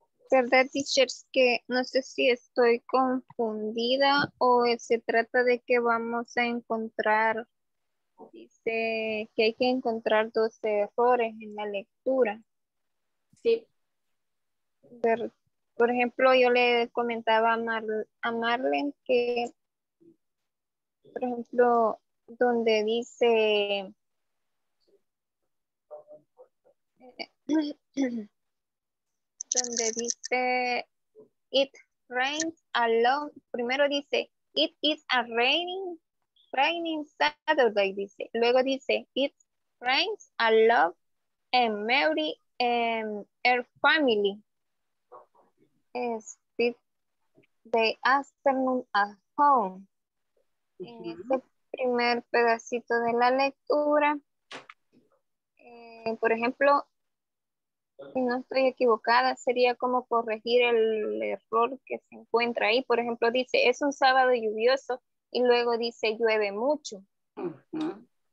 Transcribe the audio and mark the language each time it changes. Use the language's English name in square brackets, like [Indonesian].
[Spanish] ¿Verdad, teachers, que no sé si estoy confundida o se trata de que vamos a encontrar, dice que hay que encontrar 12 errores en la lectura? Sí. Por ejemplo, yo le comentaba a Marlene que, por ejemplo, donde dice... donde dice [English] it rains a lot, [Spanish] primero dice [English] it is a raining Saturday, [Spanish] dice, luego dice [English] it rains a lot and Mary and her family spend the afternoon at home. Uh-huh. [Spanish] En este primer pedacito de la lectura, por ejemplo, si no estoy equivocada, sería como corregir el error que se encuentra ahí. Por ejemplo, dice, es un sábado lluvioso y luego dice, llueve mucho. Uh-huh.